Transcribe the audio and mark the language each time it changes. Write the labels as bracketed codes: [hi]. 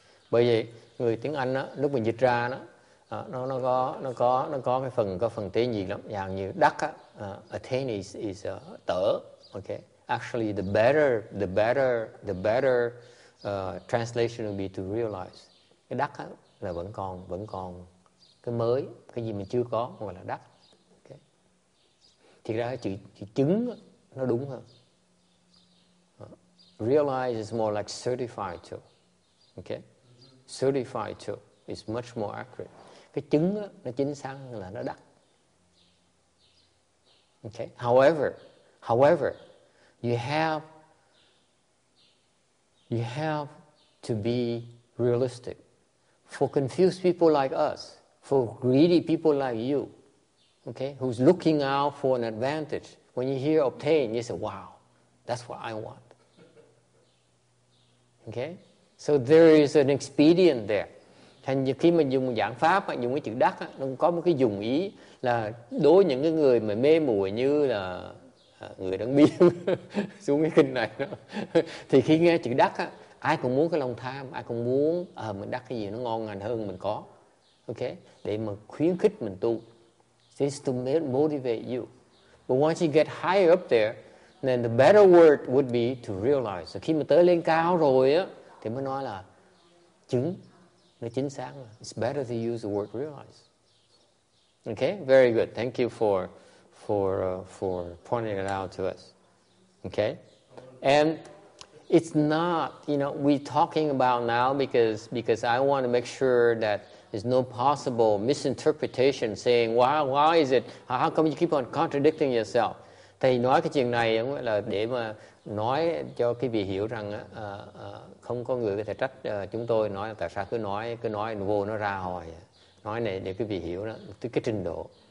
[vi] Bởi vậy, người tiếng Anh á, lúc mình dịch ra đó, nó có cái phần, có phần tế nhị lắm, dạng như đắc á, attain is tở, okay? [en] Actually, the better translation would be to realize. [vi] Cái đắc á, là vẫn còn cái mới, cái gì mình chưa có gọi là đắc. Okay? Thì ra chữ chứng nó đúng hơn. [en] Realize is more like certified to, okay? Certified to is much more accurate. [vi] Cái chứng á, nó chính xác là nó đắc. [en] Okay. However, you have to be realistic. For confused people like us, for greedy people like you, okay, who's looking out for an advantage, when you hear obtain, you say, wow, that's what I want. Okay? So there is an expedient there. [vi] Thành khi mà dùng giảng pháp, dùng cái chữ đắc, nó có một cái dùng ý là đối những cái người mà mê muội như là người đang biến xuống cái kinh này đó. Thì khi nghe chữ đắc, ai cũng muốn cái lòng tham, ai cũng muốn mình đắc cái gì nó ngon ngành hơn mình có. Ok? Để mà khuyến khích mình tu. [en] It's to motivate you. But once you get higher up there, then the better word would be to realize. [vi] So khi mà tới lên cao rồi, thì mới nói là chứng. Nó chính xác. [en] It's better to use the word realize. Okay, very good. Thank you for pointing it out to us. Okay, and it's not, you know, we're talking about now because I want to make sure that there's no possible misinterpretation saying why is it, how come you keep on contradicting yourself? [vi] Thầy nói cái chuyện này là để mà nói cho quý vị hiểu rằng không có người có thể trách chúng tôi nói tại sao cứ nói vô nó ra hồi. Nói này để quý vị hiểu đó, tức cái trình độ.